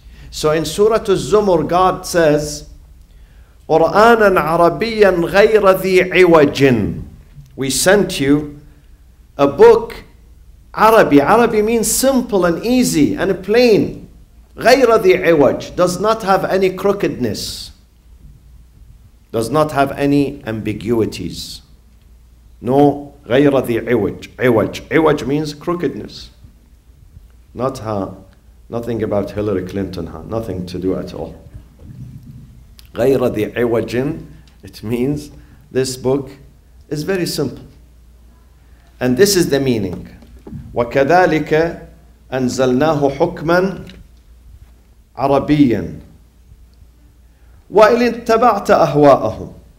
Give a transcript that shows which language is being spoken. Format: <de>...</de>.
<en>So in Surah Az-Zumr, God says,</en> <ar>قُرْآنًا عَرَبِيًّا غَيْرَ ذِي عِوَجٍ.</ar> <en>We sent you a book, Arabi. Arabi means simple and easy and plain.</en> <ar>غَيْرَ ذِي عِوَجٍ.</ar> <en>Does not have any crookedness. Does not have any ambiguities.</en> <ar>No, غَيْرَ ذِي عِوَجٍ.</ar> <en>عِوَجٍ means crookedness. Not her, nothing about Hillary Clinton, huh? Nothing to do at all.</en> <ar>غَيْرَ ذِي عِوَجٍ,</ar> <en>it means this book is very simple. And this is the meaning.</en> <ar>وَكَذَلِكَ أَنزَلْنَاهُ حُكْمًا عَرَبِيًّا وَإِلِنْ تَبَعْتَ أَهْوَاءَهُمْ.</ar>